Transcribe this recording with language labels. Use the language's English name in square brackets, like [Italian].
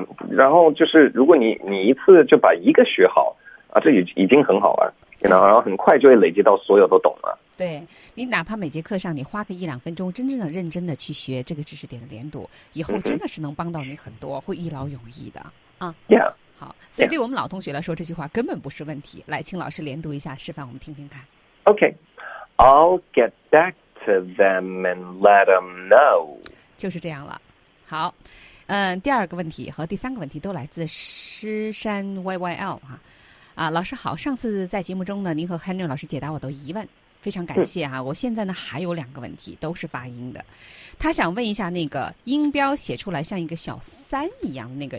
[Chinese] 然后就是如果你一次就把一个学好啊，这已经很好了，然后很快就会累积到所有都懂了。对，你哪怕每节课上你花个一两分钟真正的认真的去学这个知识点的连读，以后真的是能帮到你很多，会一劳永逸的啊。 [English] Yeah， [Chinese] 好，所以对我们老同学来说这句话根本不是问题。来，请老师连读一下示范我们听听看。 [English] OK， I'll get back to them and let them know， [Chinese] 就是这样了。好，第二个问题和第三个问题都来自诗山 YYL 哈。老师好，上次在节目中呢您和 Henry 老师解答我的疑问，非常感谢啊！我现在呢还有两个问题，都是发音的。他想问一下，那个音标写出来像一个小三一样的那个